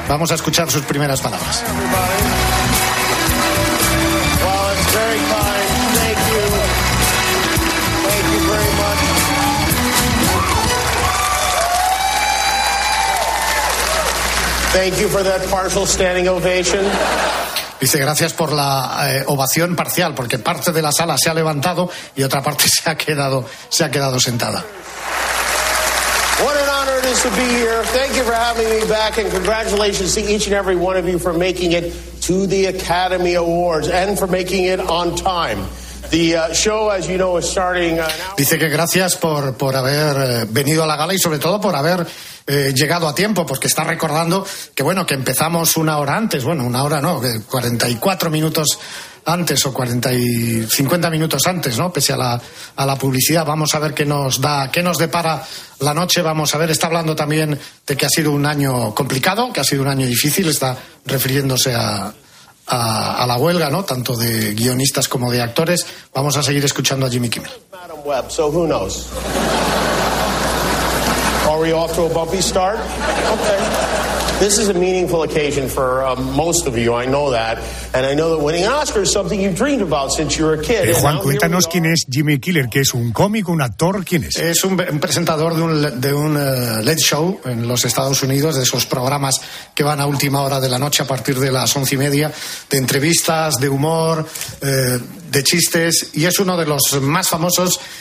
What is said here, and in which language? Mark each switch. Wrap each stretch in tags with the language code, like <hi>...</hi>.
<es>Vamos a escuchar sus primeras palabras.</es> <en>Thank you for that partial standing ovation.</en> <es>Dice, gracias por la ovación parcial, porque parte de la sala se ha levantado y otra parte se ha quedado sentada.</es> <en>What an honor it is to be here. Thank you for having me back and congratulations to each and every one of you for making it to the Academy Awards and for making it on time. The show, as you know, is starting now.</en> <es>Dice que gracias por haber venido a la gala y sobre todo por haber llegado a tiempo, porque está recordando que bueno, que empezamos una hora antes, bueno, una hora no, 44 minutos antes o 50 minutos antes, ¿no? Pese a la publicidad. Vamos a ver qué nos depara la noche. Vamos a ver, está hablando también de que ha sido un año complicado, que ha sido un año difícil, está refiriéndose a la huelga, ¿no? Tanto de guionistas como de actores. Vamos a seguir escuchando a Jimmy Kimmel.</es> <en>Madam Web, so who knows? Are we off to a bumpy start? Okay. This is a meaningful occasion for most of you, I know that. And I know that winning an Oscar is something you've dreamed about since you were a kid.</en> <es>Juan, cuéntanos quién es Jimmy Kimmel, que es un cómico, un actor, ¿quién es? Es un presentador de un late show en los Estados Unidos, de esos programas que van a última hora de la noche a partir de las 11:30, de entrevistas, de humor, de chistes, y es uno de los más famosos</es>